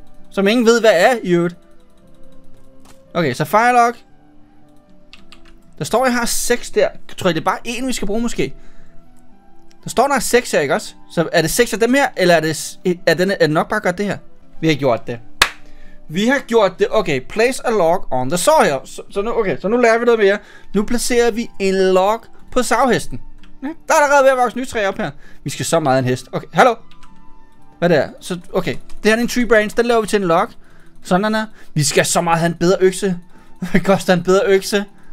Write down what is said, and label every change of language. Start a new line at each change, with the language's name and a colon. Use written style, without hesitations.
Danish: Som ingen ved, hvad er i øvrigt. Okay, så firelock. Der står, jeg har 6 der. Tror jeg, det er bare en, vi skal bruge måske? Der står, der er 6 her, ikke også? Så er det 6 af dem her, eller er det nok bare godt det her? Vi har gjort det.
English: Okay, place a log on the saw her.
Danish: Så nu lærer vi noget mere. Nu placerer vi en log på savhesten. Der er allerede ved at vokse nye træer op her. Vi skal så meget en hest. Okay, hallo. Hvad det er? Så, okay. Det her er en tree branch. Den laver vi til en log. Sådan der. Vi skal så meget have en bedre økse. Det koster en bedre økse.